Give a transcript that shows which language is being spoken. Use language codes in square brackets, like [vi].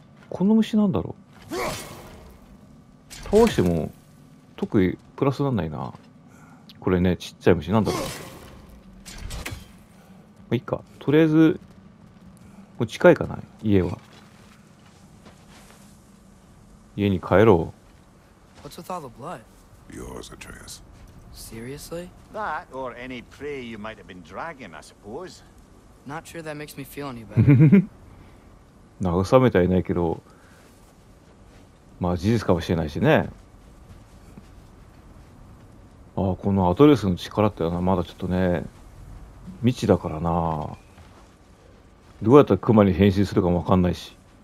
[ja] この虫なんだろう。倒しても、特にプラスなんないな。これね、ちっちゃい虫なんだろう。まあ、いいか。とりあえず、もう近いかな、家は。家に帰ろう。 [en] What's with all the blood? Yours, Atreus. Seriously? That or any prey you might have been dragging, I suppose. Not sure that makes me feel any better. [ja] 慰めてはいないけど、事実かもしれないしね。ああ、このアドレスの力ってのはまだちょっとね、未知だからな。どうやったらクマに変身するかもわかんないし。